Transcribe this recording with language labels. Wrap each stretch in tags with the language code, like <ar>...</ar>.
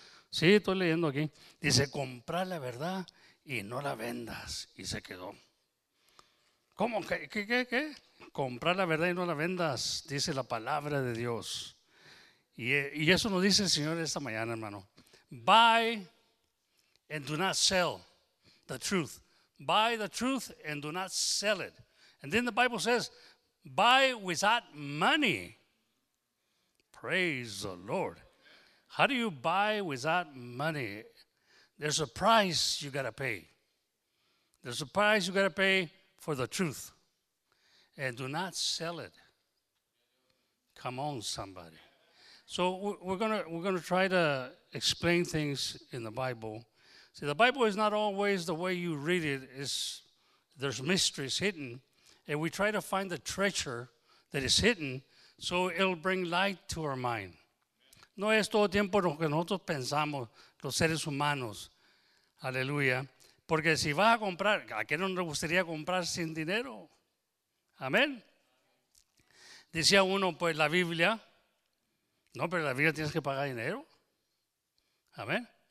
<es>Sí, estoy leyendo aquí. Dice, comprar la verdad y no la vendas. Y se quedó. ¿Cómo? ¿Qué? Comprar la verdad y no la vendas, dice la palabra de Dios. Y eso nos dice el Señor esta mañana, hermano.</es> <en>Buy and do not sell the truth. Buy the truth and do not sell it. And then the Bible says, buy without money. Praise the Lord. How do you buy without money? There's a price you gotta pay. There's a price you gotta pay for the truth. And do not sell it. Come on, somebody. So we're gonna try to explain things in the Bible. See, the Bible is not always the way you read it. There's mysteries hidden. And we try to find the treasure that is hidden so it'll bring light to our mind.</en> <es>No es todo tiempo lo que nosotros pensamos, los seres humanos. Aleluya. Porque si vas a comprar, ¿a qué no nos gustaría comprar sin dinero? Amén. Decía uno, pues la Biblia. No, pero la Biblia tienes que pagar dinero. Amén.</es>